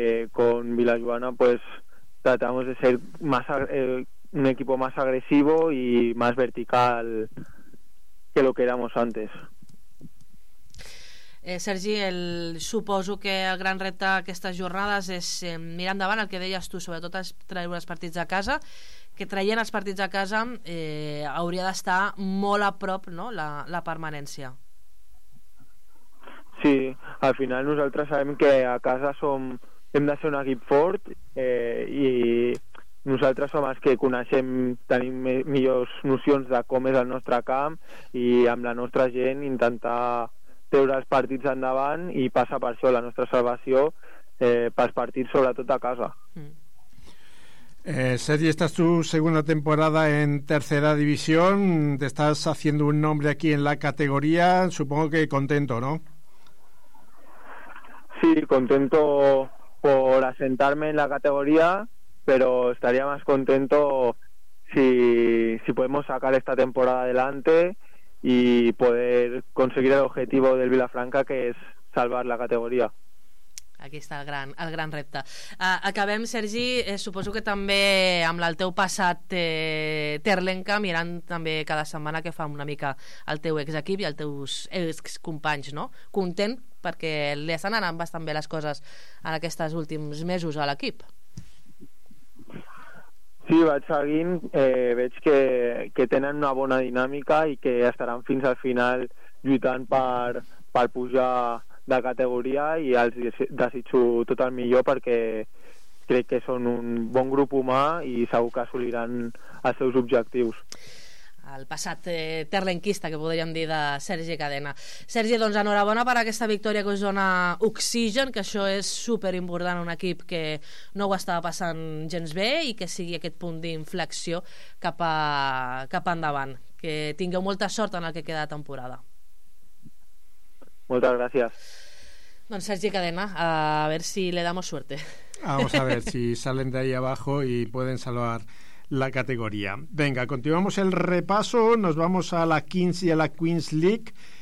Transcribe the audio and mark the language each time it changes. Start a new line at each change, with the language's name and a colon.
Spanish: Con Villajoana pues tratamos de ser más un equipo más agresivo y más vertical que lo que éramos antes.
Catalan: Sergi, suposo que el gran repte d'aquestes jornades és mirar endavant, el que deies tu, sobretot és treure els partits de casa, que traient els partits de casa hauria d'estar molt a prop, no?, la permanència. Sí, al final nosaltres sabem que a casa som... hem de ser un equip fort i nosaltres som els que coneixem, tenim millors nocions de com és el nostre camp, i amb la nostra gent intentar treure els partits endavant, i passa per això la nostra salvació pels partits, sobretot a casa.
Spanish: Sergi, esta es tu segunda temporada en tercera división, te estás haciendo un nombre aquí en la categoría, supongo que contento, ¿no? Sí, contento por asentarme en la categoría, pero estaría más contento si podemos sacar esta temporada adelante y poder conseguir el objetivo del Vilafranca, que es salvar la categoría.
Catalan: Aquí està el gran repte. Acabem, Sergi, suposo que també amb el teu passat terlenca, mirant també cada setmana que fa una mica el teu exequip i els teus excompanys, no? Content, perquè li estan anant bastant bé les coses en aquests últims mesos a l'equip. Sí, vaig seguint. Veig que tenen una bona dinàmica i que estaran fins al final lluitant per pujar de categoria, i els desitjo tot el millor, perquè crec que són un bon grup humà i segur que assoliran els seus objectius. El passat terlenquista, que podríem dir, de Sergi Cadena. Sergi, doncs enhorabona per aquesta victòria, que us dona oxigen, que això és superimportant en un equip que no ho estava passant gens bé, i que sigui aquest punt d'inflexió cap endavant. Que tingueu molta sort en el que queda de temporada. Moltes gràcies. Doncs Sergi Cadena, a veure si
Spanish: le damos suerte. Vamos a ver si salen de ahí abajo y pueden salvar la categoría. Venga, continuamos el repaso. Nos vamos a la Kings y a la Queens League.